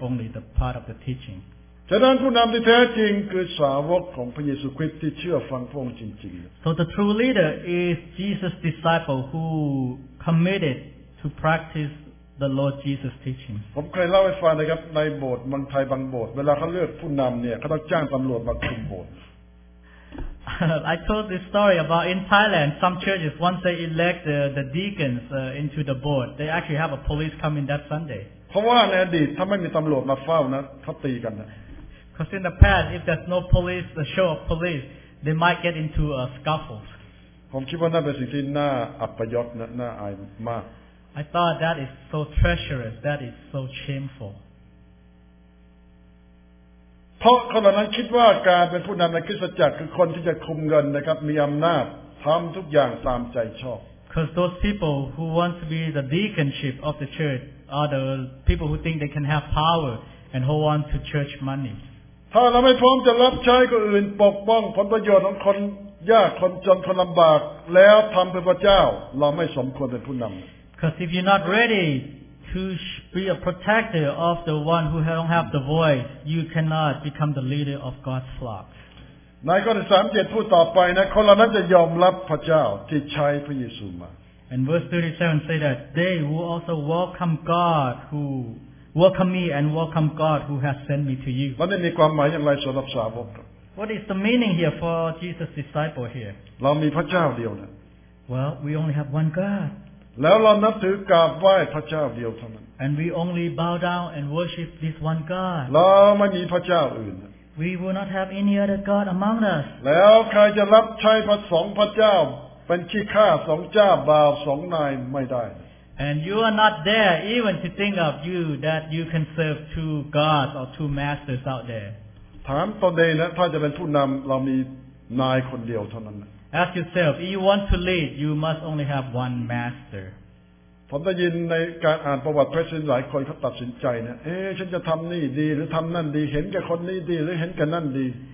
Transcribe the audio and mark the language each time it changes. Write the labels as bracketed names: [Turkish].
[English] Only the part of the teaching. [Thai] ฉะนั้นผู้นำที่แท้จริงคือสาวกของพระเยซูคริสต์ที่เชื่อฟังพระองค์จริง [English] ๆ So the true leader is Jesus' disciple who committed to practice the Lord Jesus' teaching. [Thai] ผมเคยเล่าให้ฟังนะครับในโบสถ์บางไทยบางโบสถ์เวลาเขาเลือกผู้นำเนี่ยเขาต้องจ้างตำรวจมาคุมโบสถ์ [English] I told this story about in Thailand some churches once they elect the deacons into the board they actually have a police come in that Sunday. [Thai] เพราะว่าในอดีตถ้าไม่มีตำรวจมาเฝ้านะเขาตีกันนะ [English] Because in the past, if there's no police, the show of police, they might get into a scuffle. [Thai] ผมคิดว่านั่นเป็นสิ่งที่น่าอัปยศน่าอายมาก [English] I thought that is so treacherous. That is so shameful. [Thai] เพราะคนเหล่านั้นคิดว่าการเป็นผู้นำในคริสตจักรคือคนที่จะคุมเงินนะครับมีอำนาจทำทุกอย่างตามใจชอบ [English] Because those people who want to be the deaconship of the church.Are the people who think they can have power and hold on to church money. [Thai] ถ้าเราไม่พร้อมจะรับใช้คนอื่นปกป้องผลประโยชน์ของคนยากคนจนคนลำบากแล้วทำเพื่อพระเจ้าเราไม่สมควรเป็นผู้นำ [English] Because if you're not ready to be a protector of the one who don't have the voice, you cannot become the leader of God's flock. [Thai] ในข้อที่37พูดต่อไปนะคนเหล่านั้นจะยอมรับพระเจ้าที่ใช้พระเยซูมา [English] And verse 37 say that they who also welcome God who welcome me and welcome God who has sent me to you. [Thai] มันมีความหมายอย่างไรสำหรับสาวก [English] What is the meaning here for Jesus' disciple here? [Thai] เรามีพระเจ้าเดียวนะ [English] Well, we only have one God. [Thai] แล้วเรานับถือกราบไหว้พระเจ้าเดียวเท่านั้น [English] And we only bow down and worship this one God. [Thai] เราไม่มีพระเจ้าอื่น [English] We will not have any other God among us. [Thai] แล้วใครจะรับใช้พระสองพระเจ้าเป็นขี้ข้าสองเจ้าบ่าวสองนายไม่ได้ [English] And you are not there even to think of you that you can serve two gods or two masters out there. [Thai] ถามตนเองนะถ้าจะเป็นผู้นำเรามีนายคนเดียวเท่านั้น [English] Ask yourself, if you want to lead, you must only have one master. [Thai] ผมได้ยินในการอ่านประวัติพระสินหลายคนเขาตัดสินใจนะเอ๊ฉันจะทำนี่ดีหรือทำนั่นดีเห็นกับคนนี้ดีหรือเห็นกับนั่นดี